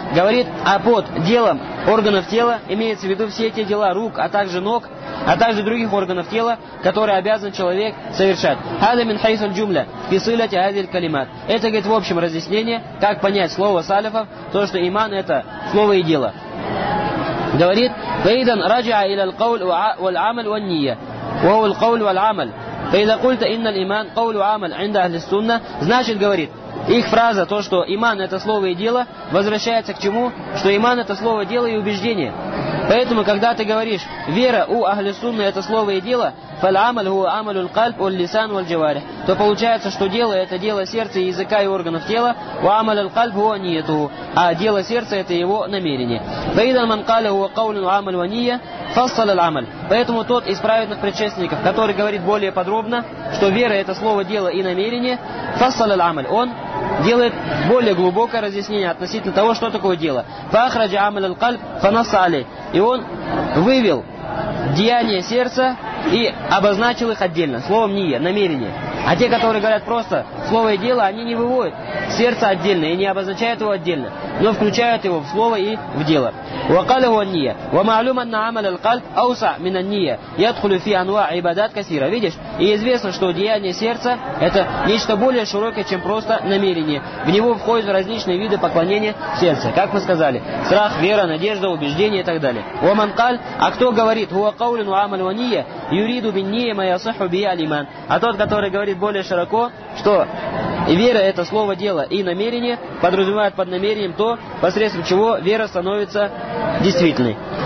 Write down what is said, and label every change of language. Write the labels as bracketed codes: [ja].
[ru] Говорит, а под делом органов тела имеется в виду все те дела рук, а также ног, а также других органов тела, которые обязан человек совершать. [ar] Хада мин хайсуль джумля фи силати хазихи аль-калимат. [ru] Это, говорит, в общем разъяснение, как понять слово салифов, то, что иман — это слово и дело. [ar] Говорит, فإذا رجع إلى القول والعمل والنية وهو القول والعمل فإذا قلت إن الإيمان قول وعمل عند أهل السنة, [ru] значит, говорит, их фраза, то, что иман — это слово и дело, возвращается к чему? Что иман — это слово, дело и убеждение. Поэтому, когда ты говоришь, вера у Ахли Сунны — это слово и дело, [ar] فَالْعَمَلْ هُوَ عَمَلُ الْقَلْبُ وَالْلِسَانُ وَالْجَوَارِحُ, [ru] то получается, что дело — это дело сердца, языка и органов тела, [ar] وَعَمَلُ الْقَلْبُ هُوَ نِيَّتُهُ, [ru] а дело сердца — это его намерение. [ar] فَإِذَا مَنْ قَالَ هُوَ قَوْلٌ وَعَمَلٌ وَنِيَّةٌ فَصَّلَ الْعَمَلَ. [ru] Поэтому тот из праведных предшественников, который говорит более подробно, что вера — это слово, дело и намерение, [ar] فَصَّلَ الْعَمَلَ, [ru] он делает более глубокое разъяснение относительно того, что такое дело. [ar] فَأَخْرَجَ عَمَلَ الْقَلْبِ فَنَصَّ عَلَيْهِ, [ru] и он вывел деяния сердца и обозначил их отдельно словом «ния», намерение. А те, которые говорят просто слово и дело, они не выводят сердце отдельно и не обозначают его отдельно, но включают его в слово и в дело. [ar] وقال هو النية ومعلوم أن عمل القلب أوسع من النية يدخل في أنواع عبادات كثيرة. [ru] Видишь, и известно, что деяние сердца — это нечто более широкое, чем просто намерение. В него входят различные виды поклонения сердца, как мы сказали: страх, вера, надежда, убеждение и так далее. [ar] ومن قال, [ru] а кто говорит, [ar] هو قول وعمل ونية يريد بالنية ما يصح به الإيمان, [ru] а тот, который говорит более широко, что вера — это слово, дело и намерение, подразумевает под намерением то, посредством чего вера становится действительной.